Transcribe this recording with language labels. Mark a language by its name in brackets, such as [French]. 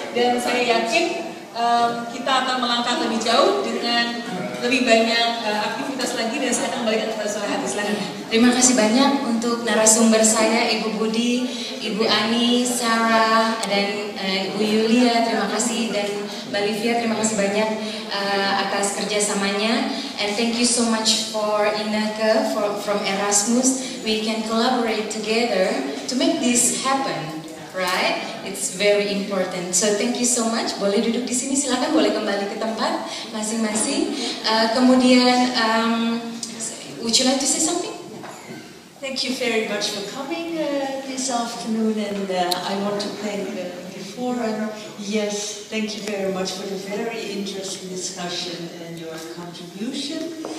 [Indonesian] Dan saya yakin kita akan melangkah lebih jauh dengan lebih banyak aktivitas lagi. Dan saya akan kembalikan kepada Suara Hati selanjutnya. Terima kasih banyak untuk narasumber saya, Ibu Budi, Ibu Ani, Sarah, dan Ibu Yulia. Terima kasih, dan Mbak Livia, terima kasih banyak atas kerjasamanya. [English] And thank you so much for Ineke from Erasmus. We can collaborate together to make this happen, right? It's very important. So thank you so much. [Indonesian] Boleh duduk di sini, silakan. Boleh kembali ke tempat masing-masing. Kemudian, [English] would you like to say something? Thank you very much for coming this afternoon, and I want to thank the forum. Yes, thank you very much for the very interesting discussion and your contribution.